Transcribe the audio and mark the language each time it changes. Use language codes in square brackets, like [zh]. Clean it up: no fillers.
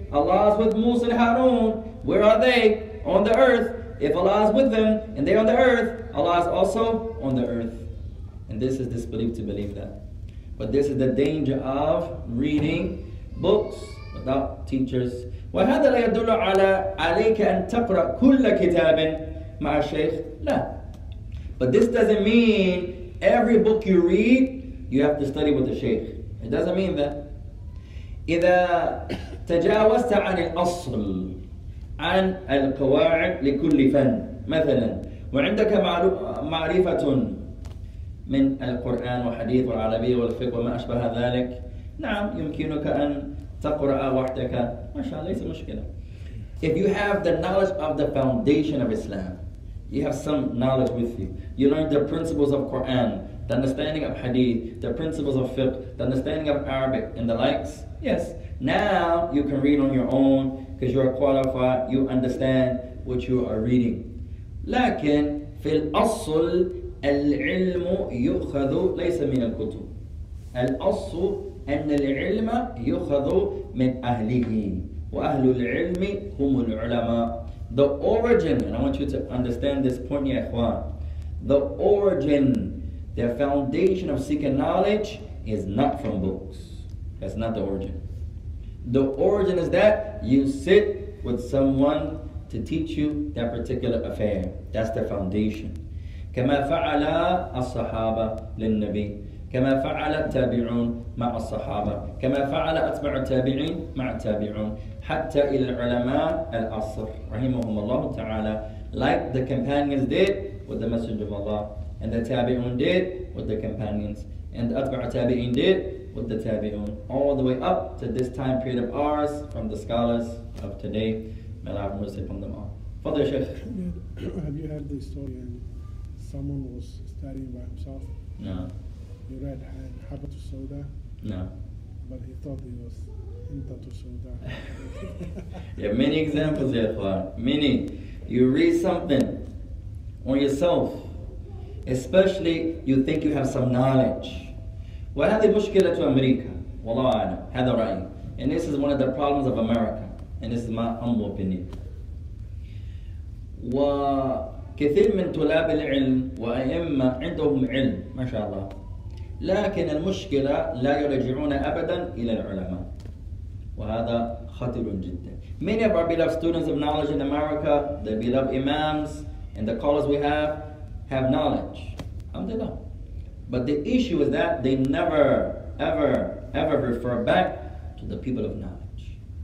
[en] Allah is with Musa and Harun. Where are they? On the earth. If Allah is with them and they're on the earth, Allah is also on the earth. And this is disbelief to believe that. But this is the danger of reading books without teachers. [ar] وهذا لا يدل على عليك أن تقرأ كل كتاب مع الشيخ. لا. [en] But this doesn't mean every book you read, you have to study with the sheikh. It doesn't mean that. [ar] إذا تجاوزت عن الأصل عن القواعد لكل فن مثلا وعندك معرفة من القرآن وحديث والعربية والفقه وما أشبه ذلك نعم يمكنك أن تقرأ وحدك ما شاء الله ليس مشكلة. [en] If you have the knowledge of the foundation of Islam, you have some knowledge with you, you learn the principles of Quran, the understanding of hadith, the principles of fiqh, the understanding of Arabic and the likes, yes, now you can read on your own because you are qualified, you understand what you are reading. [ar] لكن في الأصل العلم يؤخذ ليس من الكتب. الأصل أن العلم يؤخذ من أهله وأهل العلم هم العلماء. [en] The origin, and I want you to understand this point, [ar] يا إخوان. [en] The origin, the foundation of seeking knowledge is not from books. That's not the origin. The origin is that you sit with someone to teach you that particular affair. That's the foundation. [ar] كما فعل الصحابة للنبي كما فعل التابعون مع الصحابة كما فعل أتبع التابعين مع التابعون حتى إلى العلماء الأصر رحمهم الله تعالى. [en] Like the companions did with the Messenger of Allah, and the Tabi'un did with the companions, and the Atba'u Tabi'in did with the Tabi'un, all the way up to this time period of ours from the scholars of today. May Allah have mercy upon them all. Father Sheikh, have you heard the story and someone was studying by himself? No. He read Habat al-Sawda? No. But he thought he was Intat al-Sawda. Yeah, many examples, Ya Khawar. Many. You read something on yourself, especially you think you have some knowledge. [ar] وهذه مشكلة أمريكا والله أعلم هذا رأيي. [en] And this is one of the problems of America. And this is my humble opinion. [ar] وكثير من طلاب العلم وأئمة عندهم علم ما شاء الله. لكن المشكلة لا يرجعون أبدا إلى العلماء. وهذا خطير جدا. [en] Many of our beloved students of knowledge in America, the beloved imams and the callers we have knowledge. Alhamdulillah. But the issue is that they never, ever refer back to the people of knowledge.